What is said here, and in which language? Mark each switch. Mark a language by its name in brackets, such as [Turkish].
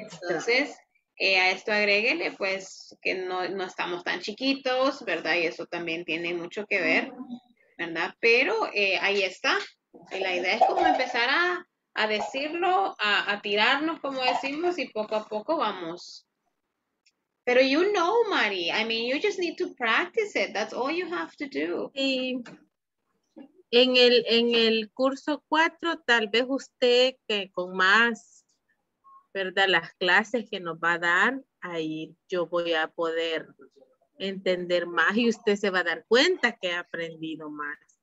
[Spanish] Entonces, a esto agréguele, pues, que no estamos tan chiquitos, ¿verdad? Y eso también tiene mucho que ver, ¿verdad? Pero ahí está. Y la idea es como empezar a decirlo, a tirarnos, como decimos, y poco a poco vamos. [English] Pero you know, Mari, I mean, you just need to practice it. That's all you have to do. [Spanish] Sí. En el curso 4, tal vez usted que con más, ¿verdad? Las clases que nos va a dar, ahí yo voy a poder entender más y usted se va a dar cuenta que ha aprendido más.